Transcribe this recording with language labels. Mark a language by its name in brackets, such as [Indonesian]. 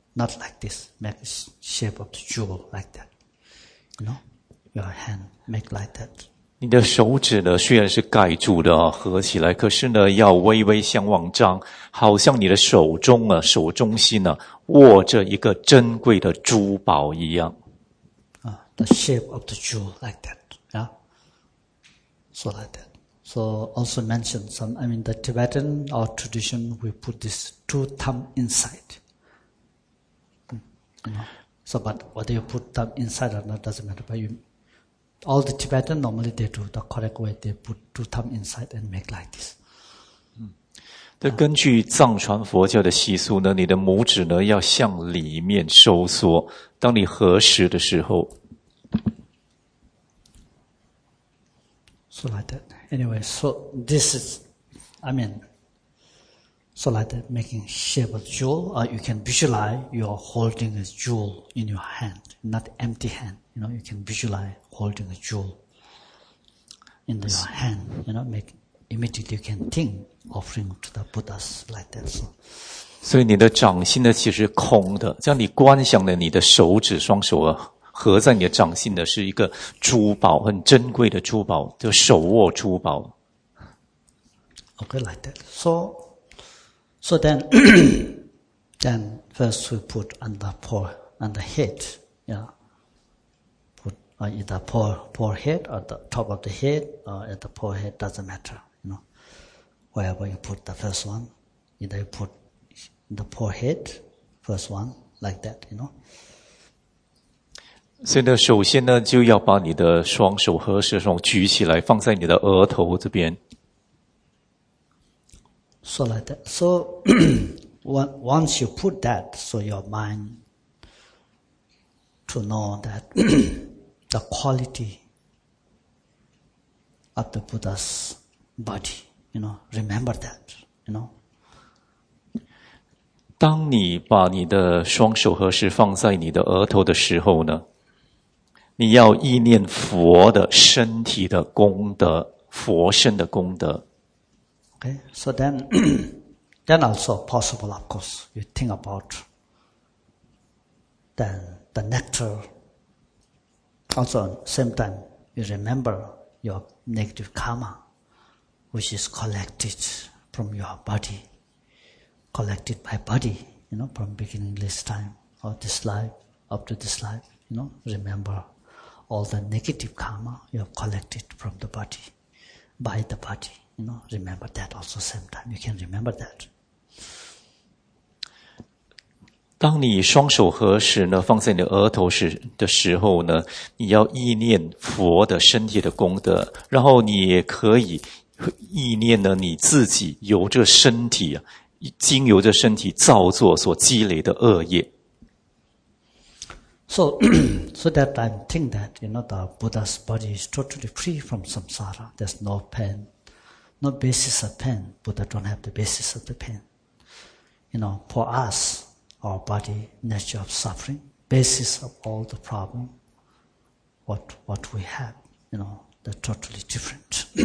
[English] not like this, make shape of the jewel like that. No, your hand make like that. [Chinese] 你的手指呢虽然是盖住的合起来，可是呢要微微向往张，好像你的手中啊，手中心呢握着一个珍贵的珠宝一样。 [English] The shape of the jewel like that, yeah. So like that. So also mentioned some, I mean, the Tibetan our tradition, we put this two thumb inside. So, but whether you put thumb inside or not doesn't matter. But all the Tibetan normally they do the correct way. They put two thumb inside and make like this. [Chinese] 那根据藏传佛教的习俗呢，你的拇指呢要向里面收缩。当你合十的时候。 [English] So like that. Anyway, so this is, I mean, so like that, making shape of jewel, or you can visualize you are holding a jewel in your hand, not empty hand. You know, you can visualize holding a jewel in your hand, you know, make, immediately you can think offering to the Buddhas like that. So. [Chinese] 所以你的掌心呢其实是空的，这样你观想的你的手指双手啊。合在你的掌心的是一个珠宝，很珍贵的珠宝，就手握珠宝。 [English] Okay, like that. So then first we put on the head, yeah. Put either forehead or the top of the head, or at the forehead, doesn't matter, you know. Wherever you put the first one, either you put the forehead, first one, like that, you know. [Chinese] 所以呢，首先呢，就要把你的双手合十的双手举起来，放在你的额头这边。 [English] So like that. So once you put that, so your mind to know that the quality of the Buddha's body, you know, remember that, you know. [Chinese] 当你把你的双手合十放在你的额头的时候呢？你要意念佛的身体的功德，佛身的功德。 [English] Okay, so then also possible, of course, you think about then the nectar. Also, same time, you remember your negative karma, which is collected from your body, collected by body, you know, from beginning this time or this life up to this life, you know, remember. All the negative karma you have collected from the body, by the body, you know, remember that also same time. You can remember that. [Chinese] 当你双手合十呢，放在你的额头时的时候呢，你要意念佛的身体的功德，然后你也可以意念呢你自己由这身体啊，经由这身体造作所积累的恶业。 [English] So that I think that, you know, the Buddha's body is totally free from samsara. There's no pain, no basis of pain. Buddha don't have the basis of the pain. You know, for us, our body, nature of suffering, basis of all the problem, what we have, you know, they're totally different.